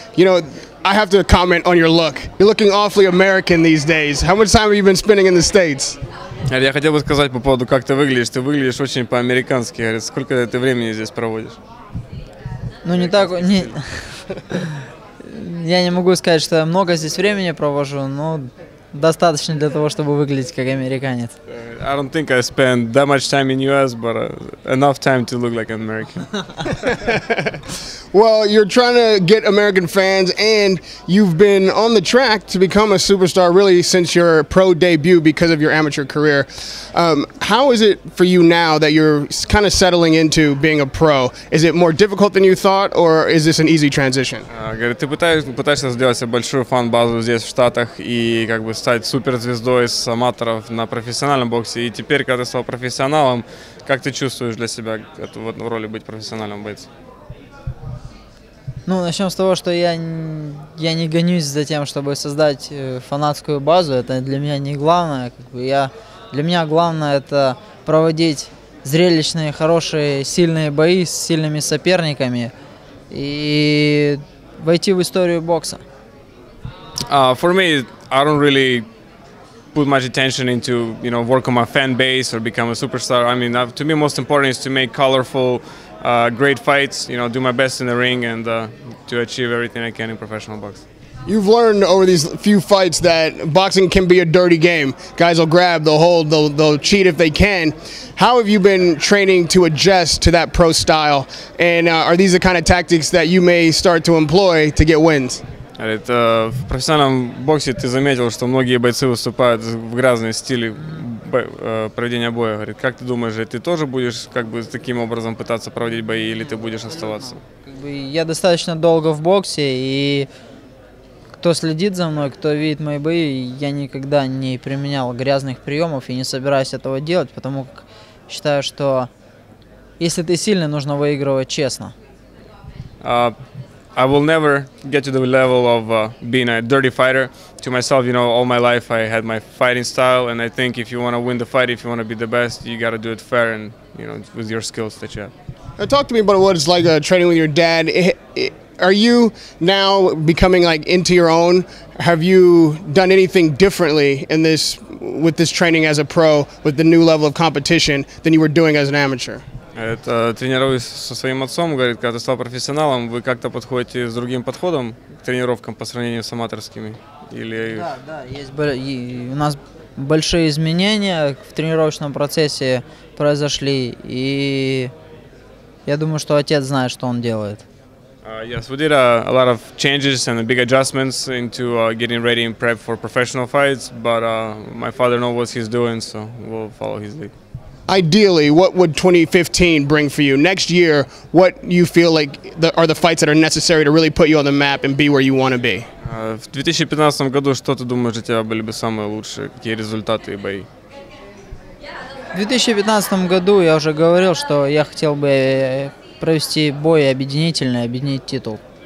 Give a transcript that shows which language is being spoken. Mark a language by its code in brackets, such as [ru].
[en] You know, I have to comment on your look. You're looking awfully American these days. How much time have you been spending in the States? [ru] Я хотел бы сказать по поводу, как ты выглядишь. Ты выглядишь очень по-американски. Сколько ты времени здесь проводишь? Ну, не так... Я не могу сказать, что я много здесь времени провожу, но достаточно для того, чтобы выглядеть как американец. [en] I don't think I spend that much time in US, but enough time to look like an American. Well, you're trying to get American fans, and you've been on the track to become a superstar really since your pro debut because of your amateur career. How is it for you now that you're kind of settling into being a pro? Is it more difficult than you thought, or is this an easy transition? [ru] Ты пытаешься сделать себе большую фан-базу здесь, в Штатах, и как бы стать суперзвездой с аматоров на профессиональном боксе. И теперь, когда ты стал профессионалом, как ты чувствуешь для себя эту вот роль быть профессиональным бойцом? Ну, начнем с того, что я не гонюсь за тем, чтобы создать фанатскую базу. Это для меня не главное. Для меня главное это проводить зрелищные, хорошие, сильные бои с сильными соперниками и войти в историю бокса. [en] For me, I don't really put much attention into, you know, work on my fan base or become a superstar. I mean, to me, most important is to make colorful, great fights, you know, do my best in the ring and to achieve everything I can in professional boxing. You've learned over these few fights that boxing can be a dirty game. Guys will grab, they'll hold, they'll cheat if they can. How have you been training to adjust to that pro style? And are these the kind of tactics that you may start to employ to get wins? [ru] Это в профессиональном боксе ты заметил, что многие бойцы выступают в грязном стиле проведения боя. Говорит, как ты думаешь, ты тоже будешь как бы таким образом пытаться проводить бои или ты будешь оставаться? Я достаточно долго в боксе, и кто следит за мной, кто видит мои бои, я никогда не применял грязных приемов и не собираюсь этого делать, потому как считаю, что если ты сильный, нужно выигрывать честно. [en] I will never get to the level of being a dirty fighter. To myself, you know, all my life I had my fighting style, and I think if you want to win the fight, if you want to be the best, you got to do it fair and, you know, with your skills that you have. Talk to me about what it's like training with your dad. Are you now becoming like into your own? Have you done anything differently in this, with this training as a pro, with the new level of competition than you were doing as an amateur? [ru] Это тренируюсь со своим отцом, говорит, когда ты стал профессионалом, вы как-то подходите с другим подходом к тренировкам по сравнению с аматорскими? Или... Да, да, у нас большие изменения в тренировочном процессе произошли, и я думаю, что отец знает, что он делает. [en] Yes, we did a lot of changes and big adjustments into getting ready and prep for professional fights, but my father knows what he's doing, so we'll follow his lead. Ideally, what would 2015 bring for you? Next year, what you feel like are the fights that are necessary to really put you on the map and be where you want to be? [ru] В 2015 году что ты думаешь, у тебя были бы самые лучшие? Какие результаты и бои? В 2015 году я уже говорил, что я хотел бы провести бой объединительный, объединить титул.